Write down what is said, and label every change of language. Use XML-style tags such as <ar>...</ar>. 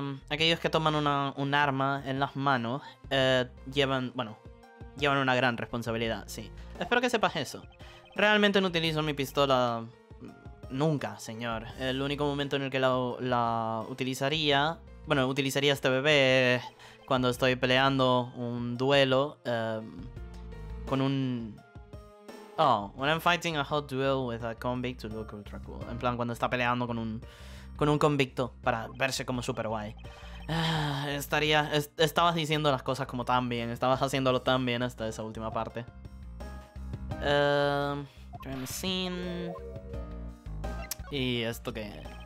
<es>Aquellos que toman un arma en las manos llevan una gran responsabilidad, sí. Espero que sepas eso. Realmente no utilizo mi pistola nunca, señor. El único momento en el que la utilizaría... bueno, utilizaría este bebé cuando estoy peleando un duelo con un...</es> <en>oh, when I'm fighting a hot duel with a convict to look ultra cool.</en> <es>En plan, cuando está peleando con un convicto para verse como super guay. Estabas diciendo las cosas como tan bien, estabas haciéndolo tan bien hasta esa última parte.</es> <en>Crime scene.</en> <es>¿Y esto qué?</es>